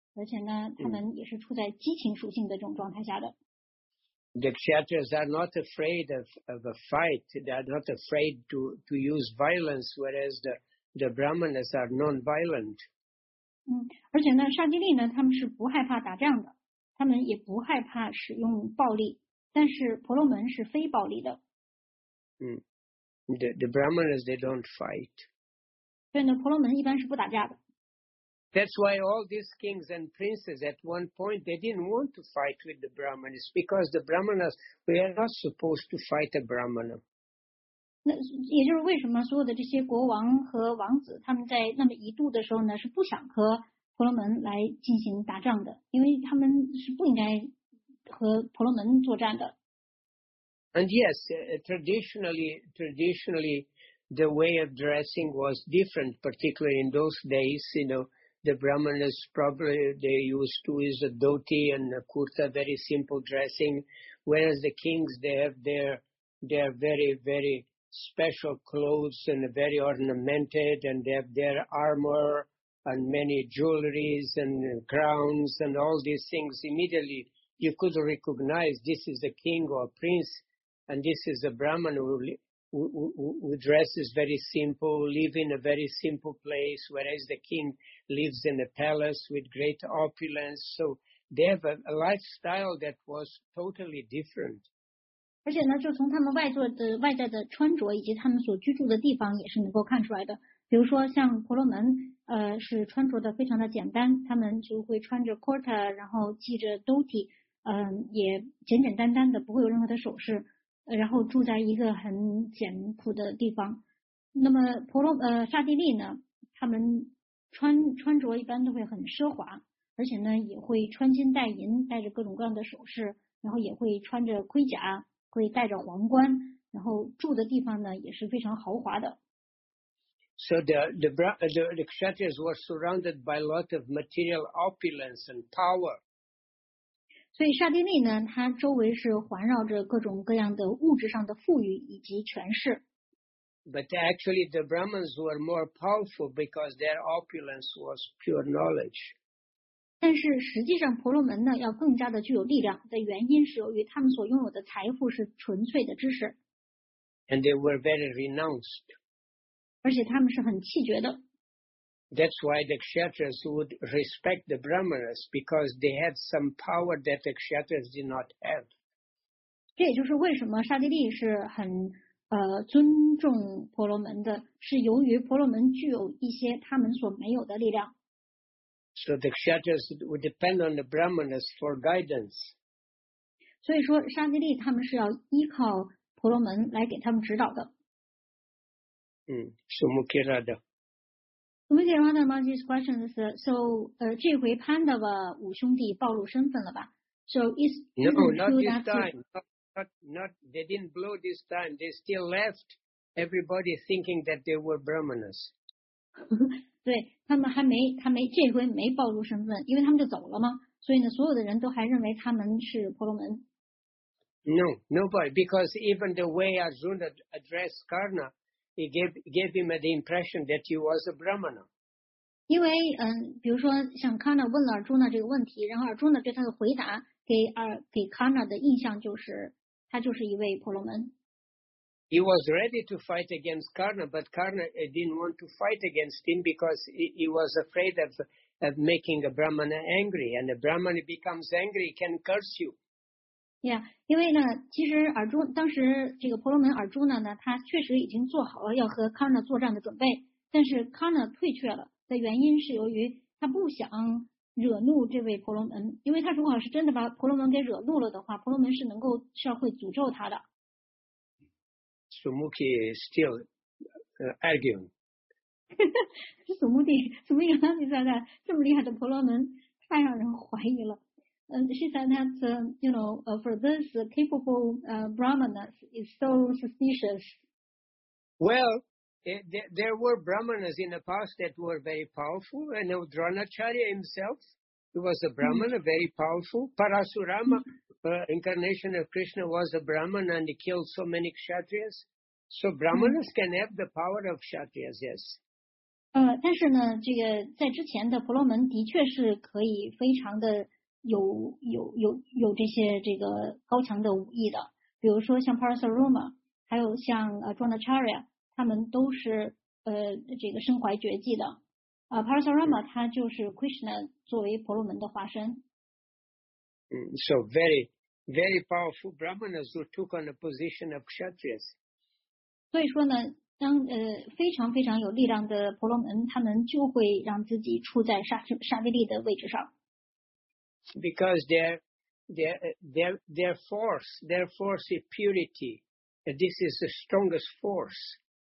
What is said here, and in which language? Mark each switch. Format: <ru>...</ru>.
<zh>而且呢，他们也是处在激情属性的这种状态下的。</zh> <en>The Kshatriyas are not afraid of a fight. They are not afraid to use violence, whereas the Brahmanas are non-violent.</en> <zh>而且呢，沙地利呢，他们是不害怕打仗的，他们也不害怕使用暴力。但是婆罗门是非暴力的。</zh> <en>The Brahmanas they don't fight.</en> <zh>对呢，婆罗门一般是不打架的。</zh> <en>That's why all these kings and princes at one point they didn't want to fight with the Brahmanas because the Brahmanas we are not supposed to fight a Brahmana.</en> <zh>那也就是为什么所有的这些国王和王子他们在那么一度的时候呢是不想和婆罗门来进行打仗的，因为他们是不应该和婆罗门作战的。</zh> <en>And yes, traditionally the way of dressing was different, particularly in those days, you know. The Brahmanas probably they used to use a dhoti and a kurta, very simple dressing, whereas the kings they have their very very special clothes and very ornamented, and they have their armor and many jewelries and crowns and all these things. Immediately you could recognize this is a king or a prince, and this is a Brahman who dresses very simple, live in a very simple place, whereas the king. Lives in a palace with great opulence, so they have a lifestyle that was totally different.</en> <zh>而且呢，就从他们外在的穿着以及他们所居住的地方也是能够看出来的。比如说像婆罗门，是穿着的非常的简单，他们就会穿着 kurta， 然后系着 dhoti， 也简简单单的，不会有任何的首饰，然后住在一个很简朴的地方。那么沙地利呢，他们。穿着一般都会很奢华，而且呢也会穿金戴银，戴着各种各样的首饰，然后也会穿着盔甲，会戴着皇冠，然后住的地方呢也是非常豪华的。</zh> <en>So the Kshatriyas were surrounded by a lot of material opulence and power.</en> <zh>所以沙地利呢，它周围是环绕着各种各样的物质上的富裕以及权势。</zh> <en>But actually, the Brahmins were more powerful because their opulence was pure knowledge.</en> <zh>但是实际上，婆罗门呢要更加的具有力量的原因是由于他们所拥有的财富是纯粹的知识。</zh> <en>And they were very renounced.</en> <zh>而且他们是很气绝的。</zh> <en>That's why the Kshatriyas would respect the Brahmins because they had some power that the Kshatriyas did not have.</en> <zh>这也就是为什么沙地利是很。尊重婆罗门的是由于婆罗门具有一些他们所没有的力量。</zh> <en>So the Kshatriyas would depend on the Brahmanas for guidance.</en> <zh>所以说沙地利他们是要依靠婆罗门来给他们指导的。</zh> <en>Sumukirada. Sumukirada Maji's question is, so,</en> <zh>这回 Pandava 五兄弟暴露身份了吧？</zh> <en>So is No, not this time. Not, they didn't blow this time. They still left everybody thinking that they were Brahmanas.</en> <zh>对，他们这回没暴露身份，因为他们就走了嘛。所以呢，所有的人都还认为他们是婆罗门。</zh> <en>No, nobody. Because even the way Arjuna addressed Karna, he gave him the impression that he was a Brahmana.</en> <zh>因为比如说像 Karna 问了 Arjuna 这个问题，然后 Arjuna 对他的回答给 Karna 的印象就是。他就是一位婆罗门。</zh> <en>He was ready to fight against Karna, but Karna didn't want to fight against him because he was afraid of making a Brahmana angry. And a Brahmana becomes angry, can curse you.</en> <zh>Yeah, 因为呢，其实尔朱当时这个婆罗门尔朱纳呢，他确实已经做好了要和康纳作战的准备，但是康纳退却了的原因是由于他不想惹怒这位婆罗门，因为他如果是真的把婆罗门给惹怒了的话，婆罗门是能够是要会诅咒他的。</zh> <en>Sumukhi is still arguing.</en> <zh>苏穆蒂刚刚就在那这么厉害的婆罗门，太让人怀疑了。</zh> <en>She said that, you know, for this capable Brahmana is so suspicious. Well, there were Brahmanas in the past that were very powerful. I know Dronacharya himself, he was a Brahmana, very powerful. Parasurama, incarnation of Krishna, was a Brahmana and he killed so many Kshatriyas. So Brahmanas can have the power of Kshatriyas, yes.</en> <zh>但是呢，这个在之前的婆罗门的确是可以非常的有这些这个高强的武艺的，比如说像 Parasurama 还有像Dronacharya 他们都是这个身怀绝技的。 Parasurama 他就是 Krishna 作为婆罗门的化身。</zh> <en>So very, very powerful Brahmanas who took on the position of Kshatriyas.</en> <zh>所以说呢，当非常非常有力量的婆罗门，他们就会让自己处在刹帝利的位置上。</zh> <en>Because their force is purity. This is the strongest force.</en>